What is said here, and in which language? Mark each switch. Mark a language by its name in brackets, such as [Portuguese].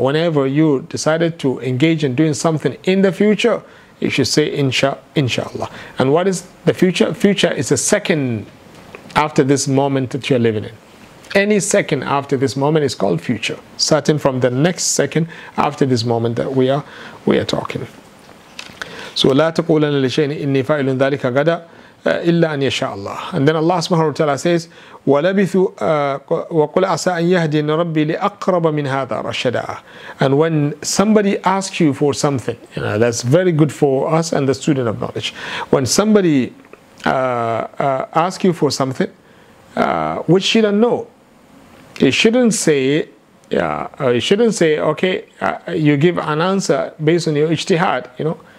[English] Whenever you decided to engage in doing something in the future, you should say inshallah. And what is the future? Future is a second after this moment that you're living in. Any second after this moment is called future. Starting from the next second after this moment that we are talking. So [Arabic] لا تقولن لشيء إني فاعل ذلك غدا إلا أن يشاء الله. [English] And then Allah [Arabic] سبحانه وتعالى says ولبث وقل عسى أن يهديني ربي لأقرب من هذا رشدا. [English] And when somebody asks you for something, you know, that's very good for us and the student of knowledge. When somebody asks you for something which you don't know, you shouldn't say okay, you give an answer based on your ijtihad, you know.